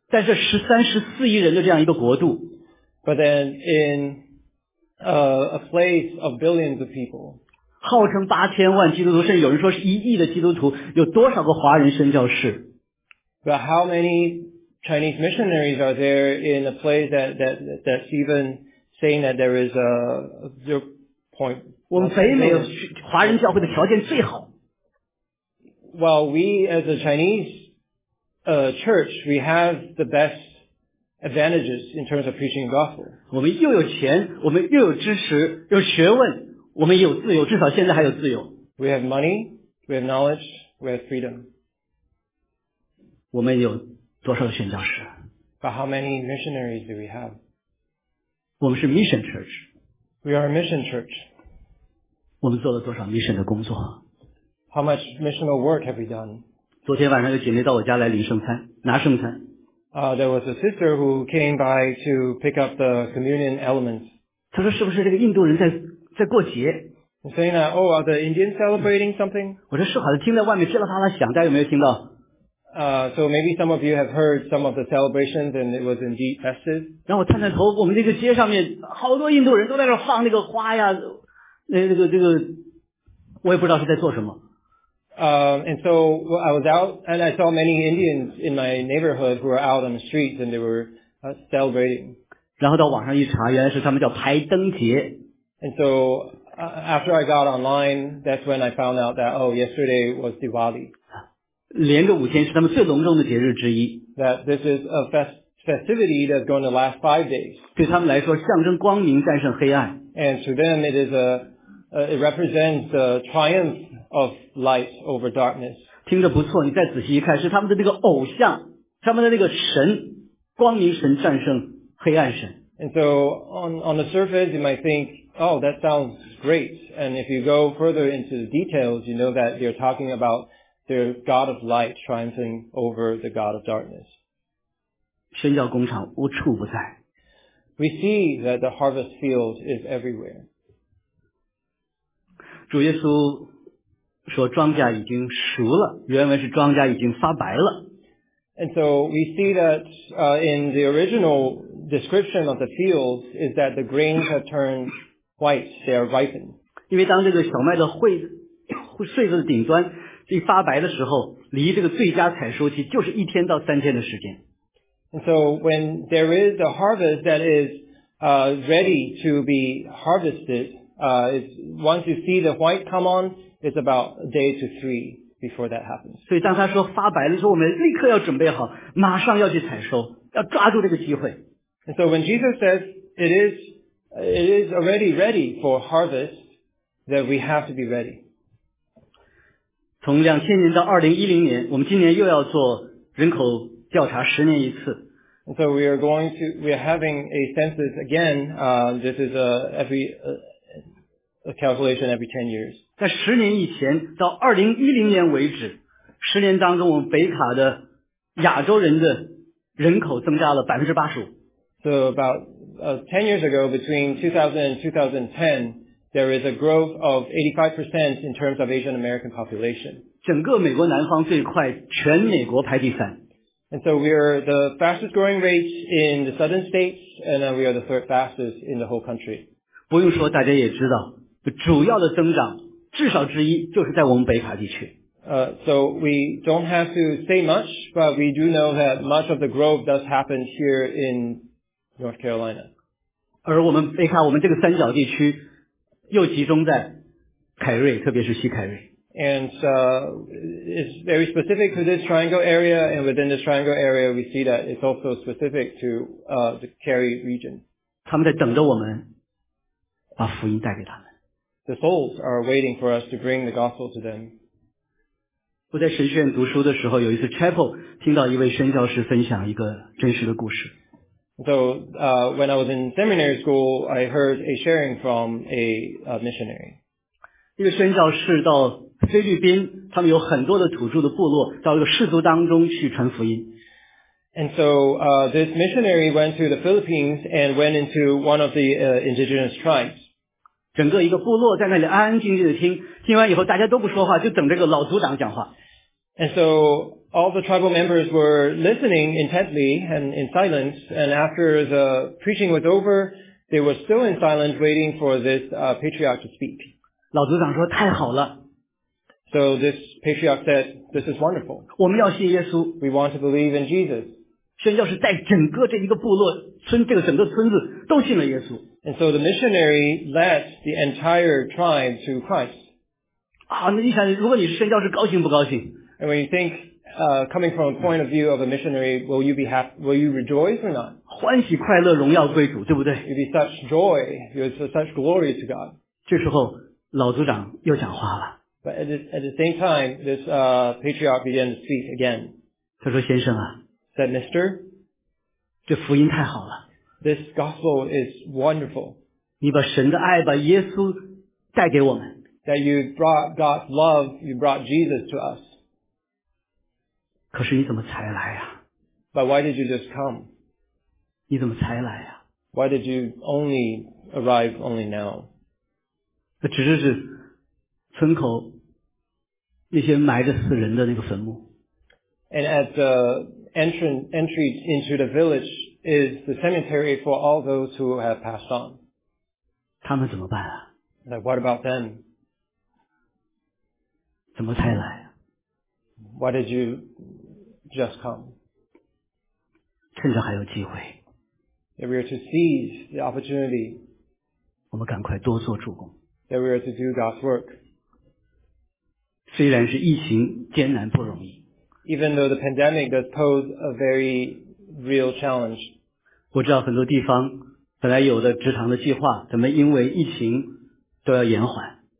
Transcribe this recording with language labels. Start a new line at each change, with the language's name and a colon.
Chinese: 在这13-14亿人的这样一个国度，
English: But then in a place of billions of people,
Chinese: 号称8000万基督徒，甚至有人说是1亿的基督徒，有多少个华人宣教士？
English: But how many Chinese missionaries are there in a place that's even saying that there is a 0.?
Chinese: 我们北美华人教会的条件最好。
English: Well, we as a Chinese church, we have the best. Advantages in terms of preaching the gospel.
Chinese: 我们又有钱，我们又有知识，有学问，我们有自由，至少现在还有自由。
English: We have money, we have knowledge, we have freedom.
Chinese: 我们有多少宣教士？
English: But how many missionaries do we have?
Chinese: 我们是
English: mission church. We are a mission church.
Chinese: 我们做了多少 mission 的工作？
English: How much missional work have we done?
Chinese: 昨天晚上有姐妹到我家来领圣餐，拿圣餐。
English: There was a sister who came by to pick up the communion elements.
Chinese: 她说是不是这个印度人在过节？
English: I'm saying that, oh, are the Indians celebrating something?
Chinese: 我说是，好像听在外面噼里啪啦响，大家有没有听到？
English: So maybe some of you have heard some of the celebrations and it was indeed festive.
Chinese: 然后我探探头，我们那个街上面好多印度人都在那放那个花呀，那个，我也不知道是在做什么。
English: And so I was out and I saw many Indians in my neighborhood who were out on the streets and they were celebrating.
Chinese: 然后到网上一查，原来是他们叫排灯节。
English: And so after I got online, that's when I found out that, oh, yesterday was Diwali.
Chinese: 连着五天是他们最隆重的节日之一。
English: That this is a festivity that's going to last 5 days.
Chinese: 对他们来说象征光明战胜黑暗。
English: And to them it is it represents the triumphOf light over darkness.
Chinese: 听着不错，你再仔细一看，是他们的那个偶像，他们的那个神，光明神战胜黑暗神。
English: And so on the surface, you might think, oh, that sounds great. And if you go further into the details, you know that they're talking about their God of light triumphing over the God of darkness.
Chinese: 宣教工厂无处不在。
English: We see that the harvest field is everywhere.
Chinese: 主耶稣。说庄稼已经熟了，原文是庄稼已经发白了。
English: And so we see that in the original description of the fields is that the grains have turned white, they are ripened.
Chinese: 因为当这个小麦的穗子的顶端一发白的时候，离这个最佳采收期就是1-3天的时间。
English: And so when there is a harvest that is ready to be harvested, once you see the white come on,It's about day 2-3 before that happens.
Chinese: 所以当他说发白的时候，我们立刻要准备好，马上要去采收，要抓住这个机会。
English: And so when Jesus says it is already ready for harvest, that we have to be ready.
Chinese: 从2000年到2010年，我们今年又要做人口调查，10年一次。
English: And so we are having a census again. This is a calculation every 10 years.
Chinese: 在十年以前到2010年为止，十年当中，我们北卡的亚洲人的人口增加了85%。
English: So about 10 years ago, between 2000 and 2010, there is a growth of 85% in terms of Asian American population.
Chinese: 整个美国南方最快，全美国排第三。
English: And so we are the fastest growing rate in the southern states, and we are the third fastest in the whole country.
Chinese: 不用说大家也知道，主要的增长至少之一就是在我们北卡地区。
English: So we don't have to say much, but we do know that much of the growth does happen here in North Carolina.
Chinese: 而我们北卡，我们这个三角地区又集中在凯瑞，特别是西凯瑞。
English: And it's very specific to this triangle area, and within this triangle area, we see that it's also specific to the Cary region.
Chinese: 他们在等着我们把福音带给他们。
English: The souls are waiting for us to bring the gospel to them.
Chinese: 我在神学院读书的时候，有一次 chapel 听到一位宣教士分享一个真实的故事。
English: So when I was in seminary school, I heard a sharing from a missionary.
Chinese: 一个宣教士到菲律宾，他们有很多的土著的部落，到一个氏族当中去传福音。
English: And so this missionary went to the Philippines and went into one of the indigenous tribes.
Chinese: 整个一个部落在那里安安静静的听，听完以后大家都不说话，就等这个老族长讲话。
English: And so all the tribal members were listening intently and in silence. And after the preaching was over, they were still in silence, waiting for this patriarch to speak.
Chinese: 老族长说太好了。
English: So this patriarch said, this is wonderful.
Chinese: 我们要信耶稣。
English: We want to believe in Jesus.
Chinese: 宣教士带整个这一个部落村，这个整个村子都信了耶稣。
English: And so the missionary led the entire tribe to Christ.
Chinese: 啊，那你想，如果你是宣教士，高兴不高兴？
English: And when you think, coming from a point of view of a missionary, will you be happy, will you rejoice or not?
Chinese: 欢喜快乐，荣耀归主，对不对？
English: You'd be such joy, you're such glory to God.
Chinese: 这时候老族长又讲话了。
English: But at the same time, this patriarch began to speak again.
Chinese: 他说先生啊。
English: Said Mister.
Chinese: 这福音太好了。
English: This gospel is wonderful.
Chinese: 你把神的爱把耶稣带给我们。
English: That you brought God's love, you brought Jesus to us.
Chinese: 可是你怎么才来啊？
English: But why did you just come?
Chinese: 你怎么才来啊？
English: Why did you only arrive only now?
Chinese: 他只是是。村口那些埋着死人的那个坟墓。
English: And at the entry into the village is the cemetery for all those who have passed on.
Chinese: 他们怎么办啊？
English: Like, what about them?
Chinese: 怎么才来啊？
English: Why did you just come?
Chinese: 趁着还有机会。
English: If we are to seize the opportunity,
Chinese: 我们赶快多做主工。
English: That we are to do God's work.
Chinese: 虽然是疫情艰难不容易。
English: Even though the pandemic does pose a very real challenge.
Chinese: 我知道很多地方本来有的职堂的计划怎么因为疫情都要延缓。